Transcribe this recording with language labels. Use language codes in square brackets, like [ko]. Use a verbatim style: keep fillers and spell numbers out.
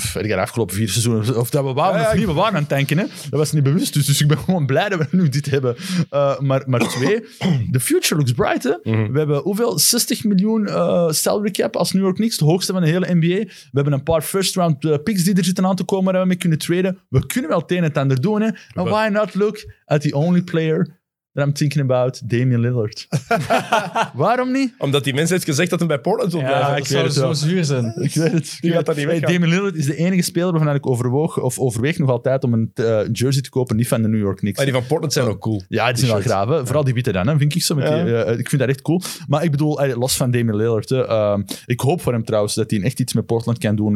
[nl] Ik heb afgelopen vier seizoenen... of dat we waren ja, ja, of niet, we waren aan het tanken. Hè. Dat was niet bewust, dus, dus ik ben gewoon blij dat we nu dit hebben. Uh, maar, maar twee, [en] the future looks bright. [nl] Hè. Mm-hmm. We hebben hoeveel? zestig miljoen uh, salary cap als New York Knicks, de hoogste van de hele N B A. We hebben een paar first-round picks die er zitten aan te komen waar we mee kunnen traden. We kunnen wel het een en het ander doen. Hè. [en] And why not look at the only player... that I'm thinking about, Damian Lillard. [nl] Waarom niet? Omdat die mens heeft gezegd dat hij bij Portland wil blijven. Ja, ik zou zo zuur zijn. Ik weet het. Die gaat dat niet weggaan. Hey, Damian Lillard is de enige speler waarvan ik overwoog, of overweeg nog altijd om een uh, jersey te kopen, niet van de New York Knicks. Maar die van Portland zijn ook cool. Ja, die zijn wel graven. Ja. Vooral die witte dan, hè, vind ik zo. Met ja. die, uh, ik vind dat echt cool. Maar ik bedoel, uh, los van Damian Lillard, uh, ik hoop voor hem trouwens dat hij echt iets met Portland kan doen.